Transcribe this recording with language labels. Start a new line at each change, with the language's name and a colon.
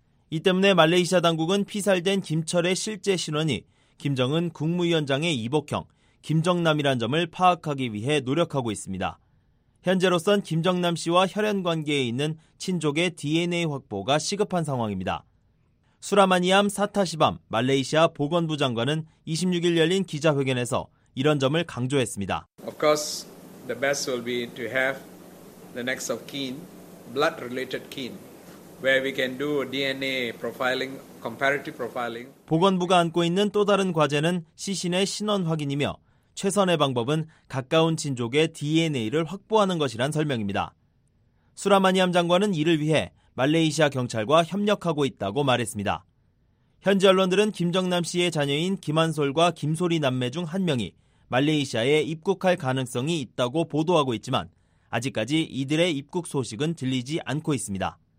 Korean: 이 때문에 말레이시아 당국은 피살된 김철의 실제 신원이 김정은 국무위원장의 이복형 김정남이란 점을 파악하기 위해 노력하고 있습니다. 현재로선 김정남 씨와 혈연관계에 있는 친족의 DNA 확보가 시급한 상황입니다. 수라마니암 사타시밤 말레이시아 보건부 장관은 26일 열린 기자회견에서 이런 점을 강조했습니다.
English: Of course, the best will be to have the next of kin, blood-related kin, where we can do DNA profiling, comparative profiling.
Korean: 보건부가 안고 있는 또 다른 과제는 시신의 신원 확인이며 최선의 방법은 가까운 친족의 DNA를 확보하는 것이란 설명입니다. 수라마니암 장관은 이를 위해 말레이시아 경찰과 협력하고 있다고 말했습니다. 현지 언론들은 김정남 씨의 자녀인 김한솔과 김솔이 남매 중 한 명이 말레이시아에 입국할 가능성이 있다고 보도하고 있지만 아직까지 이들의 입국 소식은 들리지 않고 있습니다.